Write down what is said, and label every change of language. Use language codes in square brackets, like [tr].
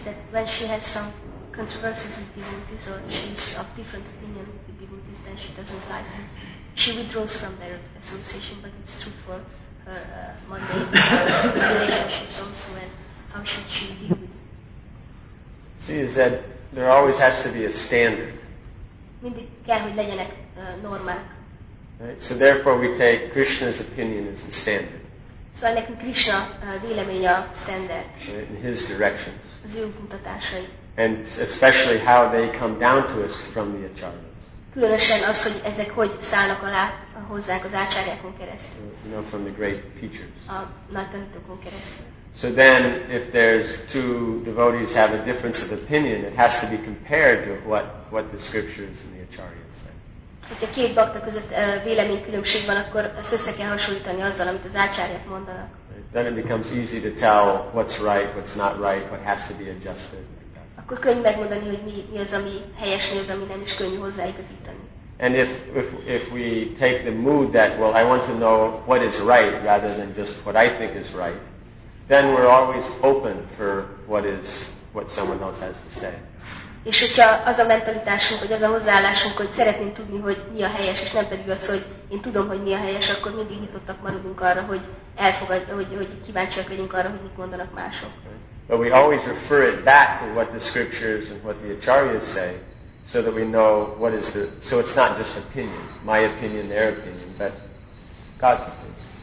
[en] when she has some controversies with devotees or she's of different opinion with the devotees, then she doesn't like them. She withdraws from their association, but it's true for her mundane relationships also, and how should she deal with it? See, is that there always has to be a standard. [hu] Mindig kell, hogy legyenek normák. [en] Right? So therefore we take Krishna's opinion as the standard. [hu] Szóval nekünk Krishna véleménye a standard. [en] In his directions. [hu] Az ő mutatásai. [en] And especially how they come down to us from the acharyas. [hu] Különösen az, hogy ezek hogy szállnak alá hozzánk az ácsárjákon keresztül. [en] You know, from the great teachers. [hu] A nagy tanítókon keresztül. [en] So then, if there's two devotees have a difference of opinion, it has to be compared to what the scriptures and the acharyas. [hu] Hogyha két bakta között véleménykülönbség van, akkor ezt össze kell hasonlítani azzal, amit az ácsárják mondanak. [en] Then it becomes easy to tell what's right, what's not right, what has to be adjusted. [hu] Akkor könnyű megmondani, hogy mi az, ami helyes, mi az, ami nem, is könnyű hozzáigazítani. [en] And if we take the mood that, well, I want to know what is right rather than just what I think is right, then we're always open for what someone else has to say. [hu] És hogyha az a mentalitásunk, vagy az a hozzáállásunk, hogy szeretném tudni, hogy mi a helyes, és nem pedig az, hogy én tudom, hogy mi a helyes, akkor mindig nyitottak maradunk arra, hogy elfogadjuk, hogy kíváncsiak legyünk arra, hogy mit mondanak mások. [en] But we always refer it back to what the scriptures and what the acharyas say, so that we know what is the, so it's not just opinion, my opinion, their opinion, but God's opinion.